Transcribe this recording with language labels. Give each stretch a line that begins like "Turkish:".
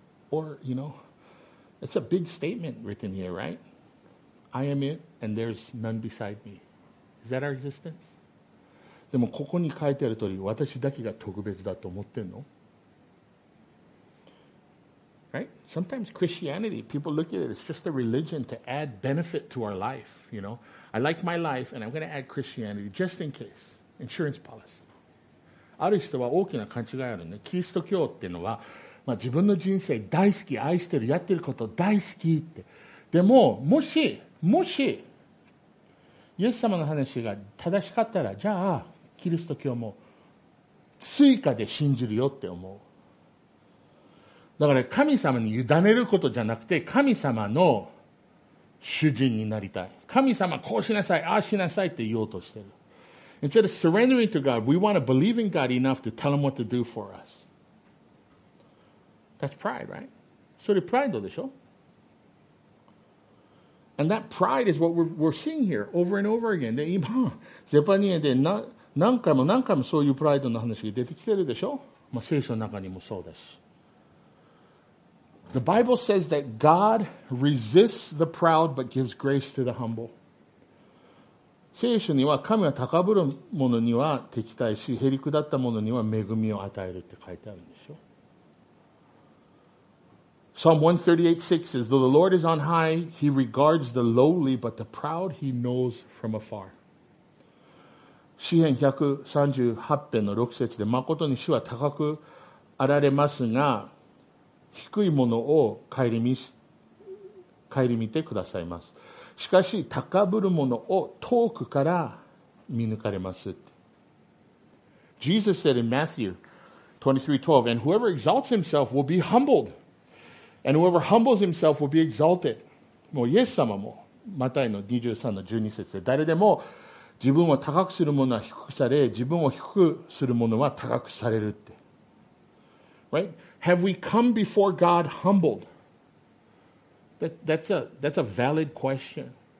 English: Or, you know, it's a big statement written here, right? I am it, and there's none beside me. Is that our existence?
Japanese: でもここに書いてある通り、私だけが特別だと思ってんの？
English: Right? Sometimes Christianity, people look at it, it's just a religion to add benefit to our life, you know? I like my life, and I'm going to add Christianity just in case. Insurance policy.
Japanese: ある人は大きな勘違いあるね。キリスト教っていうのは、まあ、自分の人生大好き、愛してる、やってること大好きって。でも、もし、イエス様の話が正しかったら、じゃあ、キリスト教も追加で信じるよって思う。だから神様に委ねることじゃなくて、神様の主人になりたい。神様こうしなさい、ああしなさいって言おうとしてる。
English: Instead of surrendering to God, we want to believe in God enough to tell him what to do for us. That's pride, right?
Japanese: それプライドでしょ?
English: And that pride is what we're seeing here over and over again.
Japanese: で、今、ゼパニエで何回もそういうプライドの話が出てきてるでしょ? まあ、聖書の中にもそうだし。
English: The Bible says that God resists the proud but gives grace to the humble.
Japanese: 聖書には神は高ぶる者には敵対し、へりくだった者には恵みを与えるって書いてあるんでしょ。
English: Psalm 138:6 says, Though the Lord is on high, he regards the lowly, but the proud he knows from afar.
Japanese: 詩篇138篇の6節で、誠に主は高くあられますが、低いものを顧みてくださいます。しかし、高ぶるものを遠くから見抜かれます。
English: Jesus said in Matthew 23:12, And whoever exalts himself will be humbled, and whoever humbles himself will be exalted.
Japanese: もうイエス様も、マタイの23:12節で、誰でも自分を高くするものは低くされ、自分を低くするものは高くされるって。
English: Right? Have we come before God humbled? That's a valid question.